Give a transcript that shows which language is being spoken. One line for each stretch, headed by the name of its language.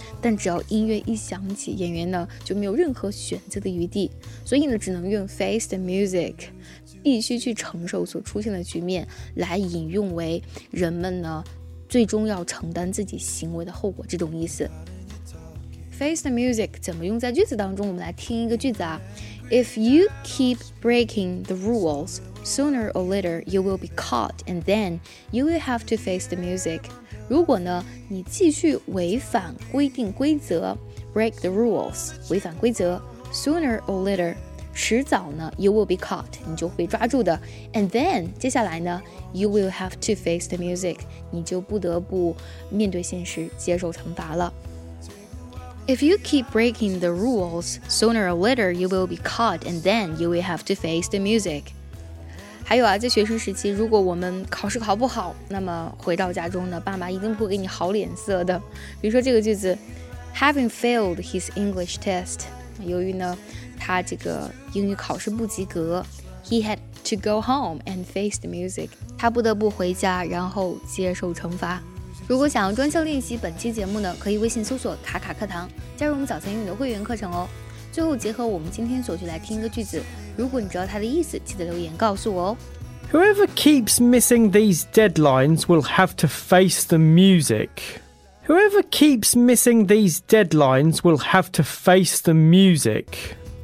Chinese: 但只要音乐一响起，演员呢就没有任何选择的余地，所以呢只能用 face the music， 必须去承受所出现的局面，来引用为人们呢最终要承担自己行为的后果这种意思。 Face the music 怎么用在句子当中？我们来听一个句子啊。
English: If you keep breaking the rules, sooner or later you will be caught, and then you will have to face the music.
Chinese: 如果呢，你继续违反规定规则 ，
English: break the rules，
Chinese: 违反规则 ，
English: sooner or later，
Chinese: 迟早呢 ，
English: you will be caught，
Chinese: 你就会被抓住的。
English: And then
Chinese: 接下来呢 ，
English: you will have to face the music，
Chinese: 你就不得不面对现实，接受惩罚了。
English: If you keep breaking the rules, sooner or later you will be caught, and then you will have to face the music.
Chinese: 还有啊，在学生时期，如果我们考试考不好，那么回到家中呢，爸妈一定不会给你好脸色的。
English: 比如说这个句子 ，Having failed his English test,
Chinese: 由于呢，他这个英语考试不及格
English: ，he had to go home and face the music.
Chinese: 他不得不回家，然后接受惩罚。如果想要专项练习本期节目呢，可以微信搜索卡卡课堂，加入我们早餐英语的会员课程哦。最后结合我们今天所学来听一个句子，如果你知道它的意思，记得留言告诉我哦。
English: Whoever keeps missing these deadlines will have to face the music. Whoever keeps missing these deadlines will have to face the music.